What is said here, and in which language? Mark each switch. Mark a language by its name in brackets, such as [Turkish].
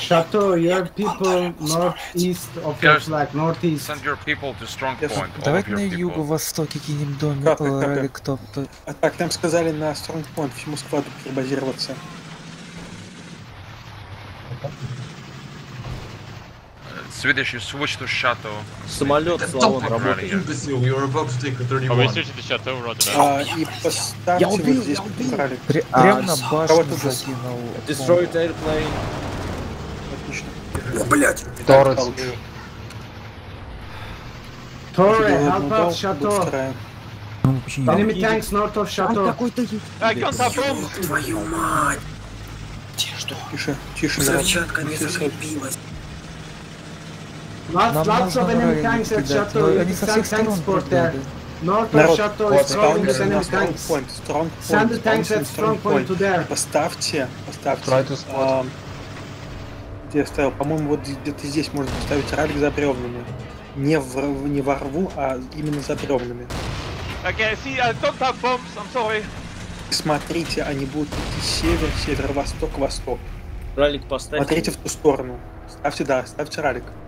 [English] Шато, your people northeast of your flag, northeast. Send your people to strong point. [Russian] Давайте на юго-востоке кинем дом, или кто-то. А так, нам сказали на strong point, всему складу перебазироваться. [English] Swedish, you switch to Chateau. [Russian] Самолет, Славон, работает. [English] Imbecile, you're about to take a 31. [Russian] А вы [English] switch to Chateau, Roger. [Russian] И поставьте его здесь, поправили. Прямо на башню закинул. [English] Destroyed airplane. [Russian] О, блядь! Торрес! [English] Торре, help out Chateau! Enemy tanks north of Chateau! [Russian] Там какой-то есть! Ай, конца пром! Твою мать! Тише! Взрывчатка не зашибилась! [English] Lots of enemy tanks at Chateau! You can attack tanks for there! North of Chateau is strong with enemy tanks. Point. Strong point. Send the tanks at strong point to there. [Russian] Поставьте, поставьте. Где я ставил? По-моему, вот где-то здесь можно поставить ралик за бревнами. Не во рву, а именно за бревнами. [English] Okay, see, I don't have bombs, I'm sorry. [Russian] Смотрите, они будут идти север, север, восток, восток. Ралик поставьте. Смотрите в ту сторону. Ставьте, да, ставьте ралик.